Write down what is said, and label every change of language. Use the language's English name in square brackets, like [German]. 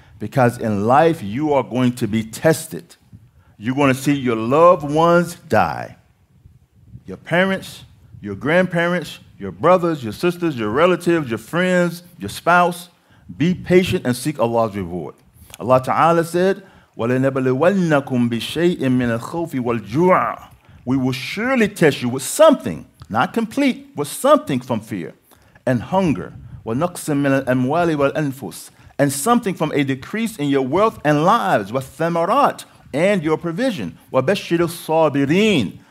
[English] Because in life, you are going to be tested. You're going to see your loved ones die. Your parents, your grandparents, your brothers, your sisters, your relatives, your friends, your spouse. Be patient and seek Allah's reward. Allah Ta'ala said, [Arabic] وَلَنَبْلُوَنَّكُمْ بِشَيْءٍ مِّنَ الْخَوْفِ وَالْجُوعِ. [English] We will surely test you with something, not complete, with something from fear and hunger. [Arabic] وَنَقْسٍ مِّنَ الْأَمْوَالِ وَالْأَنْفُسِ. [English] And something from a decrease in your wealth and lives. [Arabic] وَالثَّمَرَاتِ. [English] And your provision. [Arabic] وَبَشِّرُ الصَّابِرِينَ.